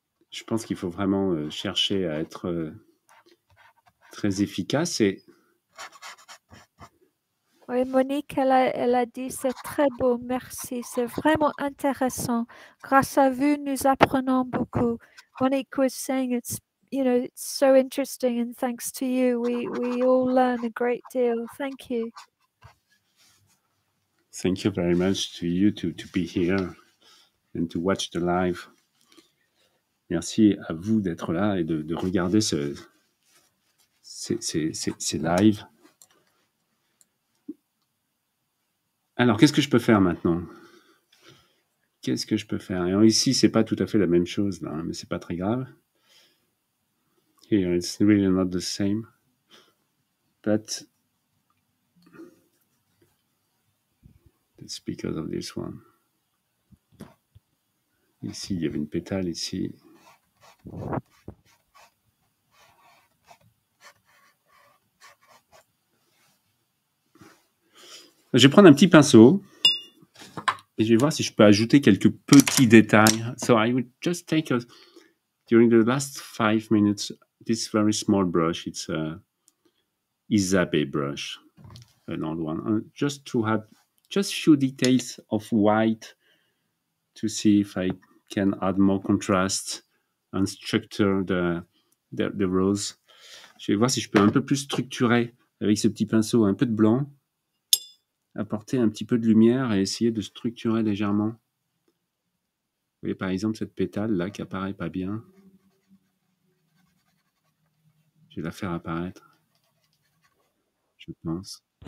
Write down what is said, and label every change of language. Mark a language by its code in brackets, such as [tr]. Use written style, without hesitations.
[fr] Je pense qu'il faut vraiment chercher à être très efficace. Et... Oui, Monique, elle a dit, c'est très beau, merci, c'est vraiment intéressant. Grâce à vous, nous apprenons beaucoup. [en] Monique was saying, it's, you know, it's so interesting, and thanks to you, we all learn a great deal. Thank you. Thank you very much to you to be here and to watch the live. [fr] Merci à vous d'être là et de regarder ces live. Alors, qu'est-ce que je peux faire maintenant? Qu'est-ce que je peux faire? Alors, ici, ce n'est pas tout à fait la même chose, là, mais ce n'est pas très grave. [en] Here, it's really not the same. But it's because of this one. [fr] Ici, il y avait une pétale, ici. Je vais prendre un petit pinceau et je vais voir si je peux ajouter quelques petits détails. [en] So I would just take during the last 5 minutes, this very small brush. It's a Isabe brush, an old one. And just to add just few details of white to see if I can add more contrast and structure the rose. [fr] Je vais voir si je peux un peu plus structurer avec ce petit pinceau, un peu de blanc. Apporter un petit peu de lumière et essayer de structurer légèrement. Vous voyez par exemple cette pétale là qui apparaît pas bien. Je vais la faire apparaître, je pense.